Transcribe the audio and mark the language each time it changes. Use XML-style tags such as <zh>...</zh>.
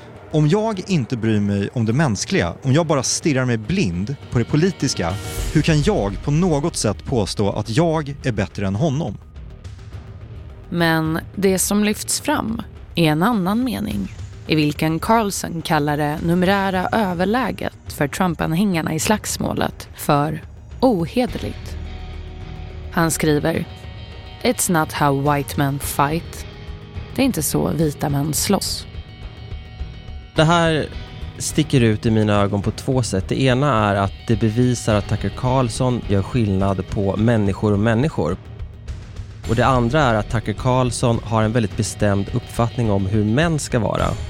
<sv>Om jag inte bryr mig om det mänskliga, om jag bara stirrar mig blind på det politiska, hur kan jag på något sätt påstå att jag är bättre än honom? Men det som lyfts fram är en annan mening, i vilken Carlson kallar det numerära överläget för Trump-anhängarna i slagsmålet för ohederligt. Han skriver:</sv> <en>It's not how white men fight.</en> <sv>Det är inte så vita män slåss. Det här sticker ut i mina ögon på två sätt. Det ena är att det bevisar att Tucker Carlson gör skillnad på människor och människor. Och det andra är att Tucker Carlson har en väldigt bestämd uppfattning om hur män ska vara.</sv>